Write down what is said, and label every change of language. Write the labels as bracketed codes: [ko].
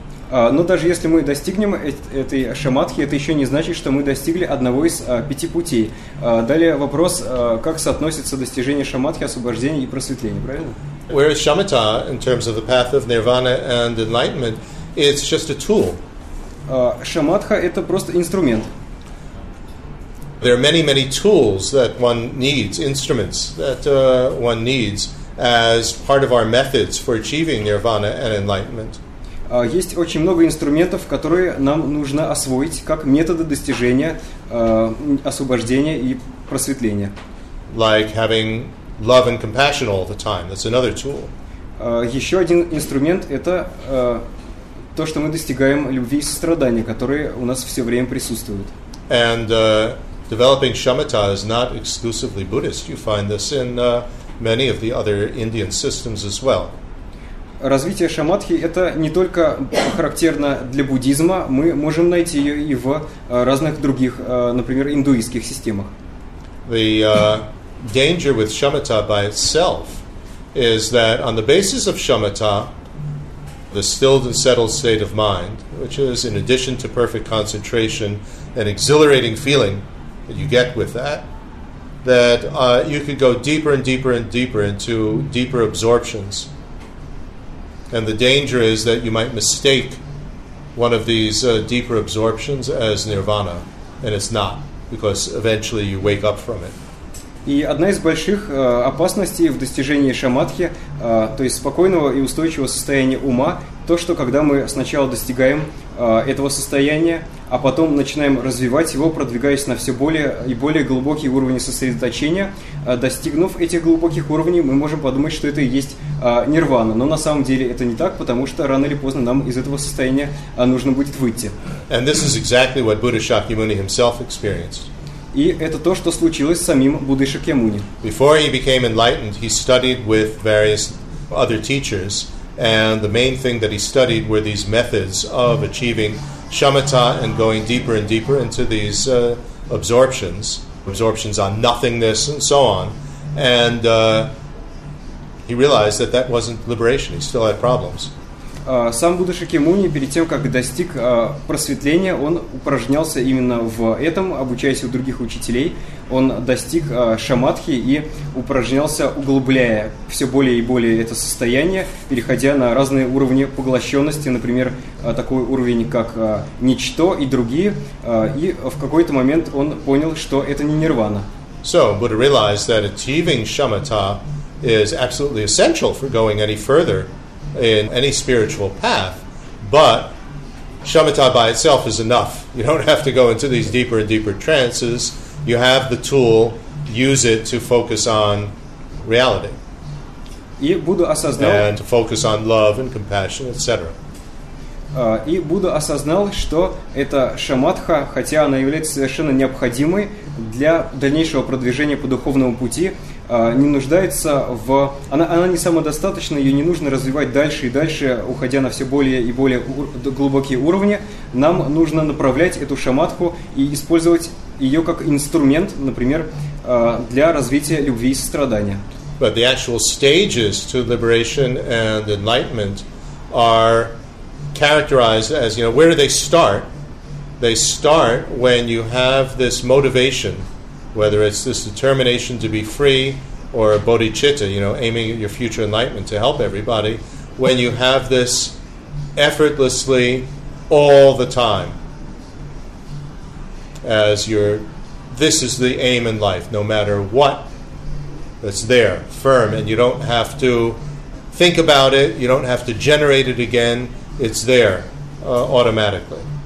[ru] Но даже если мы достигнем этой шамадхи, это еще не значит, что мы достигли одного из пяти путей. Далее вопрос, как соотносится достижение шамадхи, освобождения и просветления, правильно? [en] Where is shamatha in terms of the path of nirvana and enlightenment? It's just a tool. [ru] Шамадха – это просто инструмент. [en] There are many, many tools that one needs, instruments that one needs as part of our methods for achieving nirvana and enlightenment. [ru] Есть очень много инструментов, которые нам нужно освоить как методы достижения освобождения и просветления. [en] Like having love and compassion all the time. That's another tool. [ru] Еще один инструмент – это то, что мы достигаем любви и сострадания, которые у нас все время присутствуют. [en] And developing shamatha is not exclusively Buddhist. You find this in many of the other Indian systems as well. [ru] Развитие шамадхи – это не только характерно для буддизма, мы можем найти ее и в разных других, например, индуистских системах. [en] The danger with shamatha by itself is that on the basis of shamatha, the stilled and settled state of mind, which is in addition to perfect concentration, an exhilarating feeling that you get with that, that you could go deeper and deeper and deeper into deeper absorptions. And the danger is that you might mistake one of these deeper absorptions as nirvana, and it's not, because eventually you wake up from it. [ru] И одна из больших опасностей в достижении шамадхи, то есть спокойного и устойчивого состояния ума, то, что когда мы сначала достигаем этого состояния, а потом начинаем развивать его, продвигаясь на все более и более глубокие уровни сосредоточения. Достигнув этих глубоких уровней, мы можем подумать, что это и есть нирвана. Но на самом деле это не так, потому что рано или поздно нам из этого состояния нужно будет выйти. [en] And this is exactly what Buddha Shakyamuni himself experienced. [ru] И это то, что случилось с самим Буддой Шакьямуни. [en] Before he became enlightened, he studied with various other teachers. And the main thing that he studied were these methods of achieving shamatha and going deeper and deeper into these absorptions on nothingness and so on. And he realized that that wasn't liberation. He still had problems. [ru] Сам Будда Шакьямуни, перед тем, как достиг просветления, он упражнялся именно в этом, обучаясь у других учителей. Он достиг шамадхи и упражнялся, углубляя все более и более это состояние, переходя на разные уровни поглощенности, например, такой уровень, как ничто и другие. И в какой-то момент он понял, что это не нирвана. [en] So, Buddha realized that achieving shamatha is absolutely essential for going any further in any spiritual path, but shamatha by itself is enough. You don't have to go into these deeper and deeper trances. You have the tool, use it to focus on reality. [ru] И Будда осознал, [en] and to focus on love and compassion, etc. [ru] И Будда осознал, что эта шамадха, хотя она является совершенно необходимой для дальнейшего продвижения по духовному пути, не нуждается в... Она не самодостаточна, ее не нужно развивать дальше и дальше, уходя на все более и более глубокие уровни. Нам нужно направлять эту шамадху и использовать ее как инструмент, например, для развития любви и сострадания. [en] But the actual stages to liberation and enlightenment are characterized as, you know, where do they start? They start when you have this motivation, whether it's this determination to be free or a bodhicitta, you know, aiming at your future enlightenment to help everybody, when you have this effortlessly all the time as your, this is the aim in life, no matter what, that's there, firm, and you don't have to think about it, you don't have to generate it again, it's there automatically.